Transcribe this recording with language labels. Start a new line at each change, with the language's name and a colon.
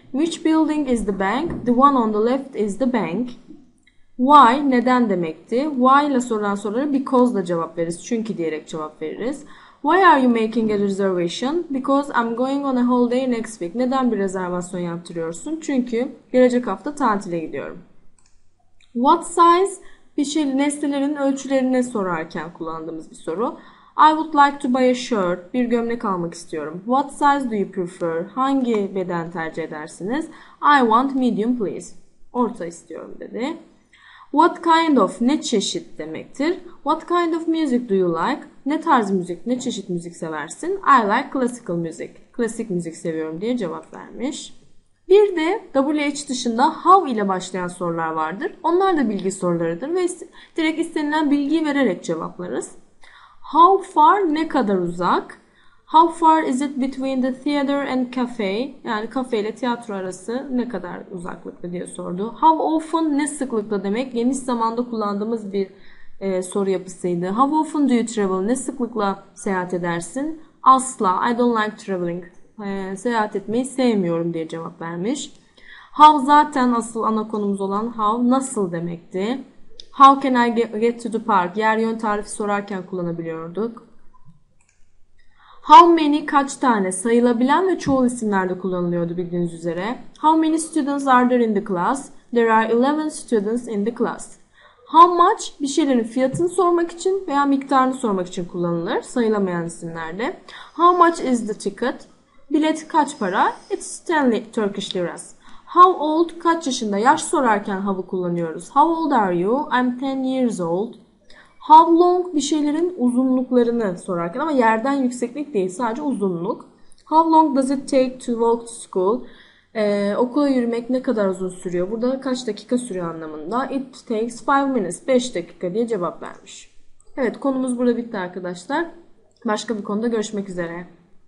English: Which building is the bank? The one on the left is the bank.
Turkish: Why, neden demekti? Why ile sorulan soruları because ile cevap veririz. Çünkü diyerek cevap veririz.
English: Why are you making a reservation? Because I'm going on a holiday next week.
Turkish: Neden bir rezervasyon yaptırıyorsun? Çünkü gelecek hafta tatile gidiyorum.
English: What size?
Turkish: Bir şey, nesnelerin ölçülerini sorarken kullandığımız bir soru.
English: I would like to buy a shirt.
Turkish: Bir gömlek almak istiyorum.
English: What size do you prefer?
Turkish: Hangi beden tercih edersiniz?
English: I want medium please.
Turkish: Orta istiyorum dedi.
English: What kind of,
Turkish: ne çeşit demektir.
English: What kind of music do you like?
Turkish: Ne tarz müzik, ne çeşit müzik seversin?
English: I like classical music.
Turkish: Klasik müzik seviyorum diye cevap vermiş. Bir de WH dışında how ile başlayan sorular vardır. Onlar da bilgi sorularıdır ve direkt istenilen bilgiyi vererek cevaplarız.
English: How far,
Turkish: ne kadar uzak?
English: How far is it between the theater and cafe?
Turkish: Yani kafe ile tiyatro arası ne kadar uzaklıkta diye sordu.
English: How often,
Turkish: ne sıklıkla demek? Geniş zamanda kullandığımız bir soru yapısıydı.
English: How often do you travel?
Turkish: Ne sıklıkla seyahat edersin? Asla.
English: I don't like traveling.
Turkish: Seyahat etmeyi sevmiyorum diye cevap vermiş. How zaten asıl ana konumuz olan how, nasıl demekti.
English: How can I get to the park?
Turkish: Yer yön tarifi sorarken kullanabiliyorduk.
English: How many,
Turkish: kaç tane, sayılabilen ve çoğul isimlerde kullanılıyordu bildiğiniz üzere.
English: How many students are there in the class? There are 11 students in the class. How much,
Turkish: bir şeylerin fiyatını sormak için veya miktarını sormak için kullanılır sayılamayan isimlerde.
English: How much is the ticket?
Turkish: Bilet kaç para?
English: It's 10 Turkish liras. How old,
Turkish: kaç yaşında, yaş sorarken how'ı kullanıyoruz.
English: How old are you? I'm 10 years old. How long,
Turkish: bir şeylerin uzunluklarını sorarken ama yerden yükseklik değil, sadece uzunluk.
English: How long does it take to walk to school?
Turkish: Okula yürümek ne kadar uzun sürüyor? Burada kaç dakika sürüyor anlamında.
English: It takes 5 minutes,
Turkish: 5 dakika diye cevap vermiş. Evet, konumuz burada bitti arkadaşlar. Başka bir konuda görüşmek üzere.